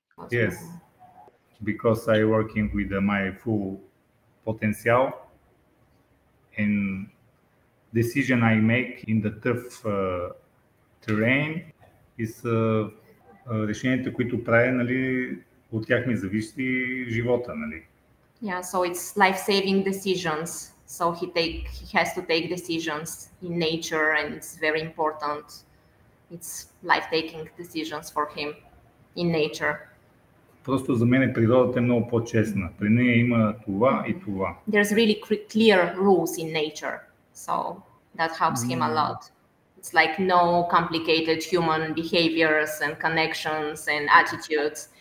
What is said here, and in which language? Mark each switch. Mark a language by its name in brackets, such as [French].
[English] Yes, because I working with my full potential, and decision I make in the tough terrain is [Bulgarian] решението, което правя, нали, от тях ми зависи живота, нали. [English] Yeah, so it's life-saving decisions. So he has to take decisions in nature, and it's very important. It's life-taking decisions for him in nature. [Bulgarian] Просто за мен природата е много по-честна. При нея има това и това. [English] There's really clear rules in nature, so that helps him a lot. It's like no complicated human behaviors and connections and attitudes.